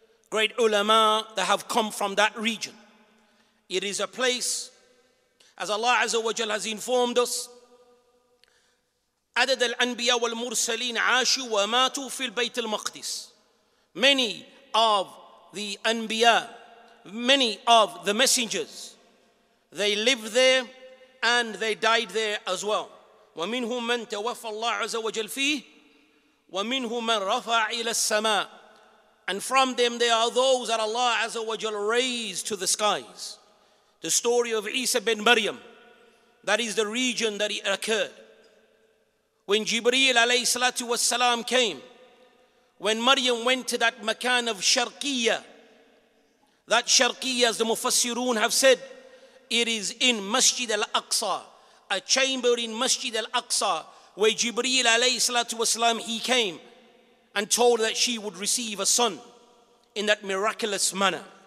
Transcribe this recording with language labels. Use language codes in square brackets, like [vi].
[en] Great ulama that have come from that region. It is a place, as Allah Azza wa Jal has informed us, [ar] عدد الأنبياء والمرسلين عاشوا وماتوا في البيت المقدس. [en] Many of the Anbiya, many of the messengers, they lived there and they died there as well. [ar] ومنهم من توفى الله عز وجل فيه ومنهم من رفع إلى السماء. [en] And from them there are those that Allah عز وجل raised to the skies. The story of Isa ben Maryam, that is the region that it occurred. When Jibreel alayhi salatu wasalam came, when Maryam went to that makan of Sharqiyya, that Sharqiyya, as the Mufassirun have said, it is in Masjid al-Aqsa, a chamber in Masjid al-Aqsa, where Jibreel alayhi salatu wasalam, he came and told that she would receive a son in that miraculous manner.